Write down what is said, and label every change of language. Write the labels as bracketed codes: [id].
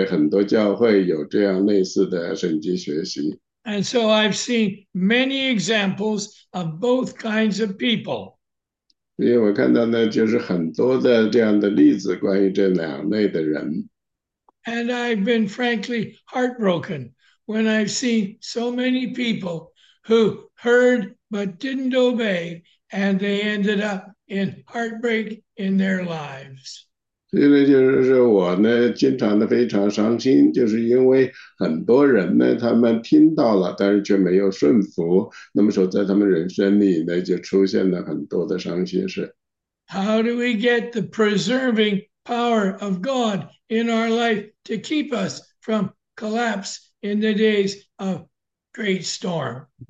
[zh] 所以我也很参加过很多像这样的圣经学习，也多年来呢，一直在很多教会有这样类似的圣经学习。 [en] And so I've seen many examples of both kinds of people. [zh] 因为我看到呢，就是很多的这样的例子，关于这两类的人。 [en] And I've been frankly heartbroken when I've seen so many people who heard but didn't obey, and they ended up in heartbreak in their lives. [zh] 所以呢，就是说我呢，经常的非常伤心，就是因为很多人呢，他们听到了，但是却没有顺服，那么说在他们人生里呢，就出现了很多的伤心事。 [en] How do we get the preserving power of God in our life to keep us from collapse in the days of great storm?